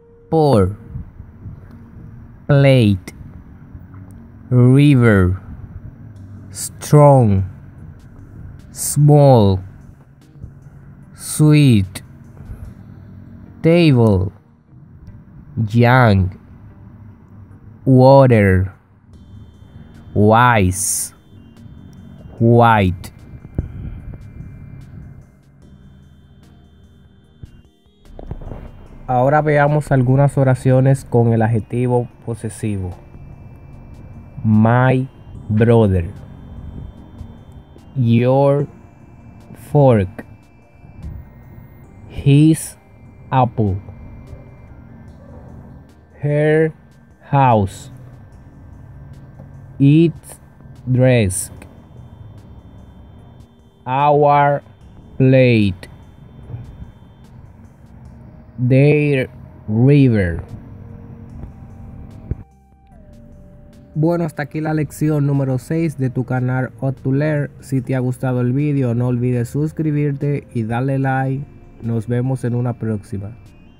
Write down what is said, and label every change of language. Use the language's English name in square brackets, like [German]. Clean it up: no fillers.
[English] poor, plate, river, strong, small, sweet, table, young, water, wise, white. [Spanish] Ahora veamos algunas oraciones con el adjetivo posesivo. [English] My brother, your fork, his apple, her house, its dress, our plate, their river. [Spanish] Bueno, hasta aquí la lección número 6 de tu canal Optuler. Si te ha gustado el video, no olvides suscribirte y darle like. Nos vemos en una próxima.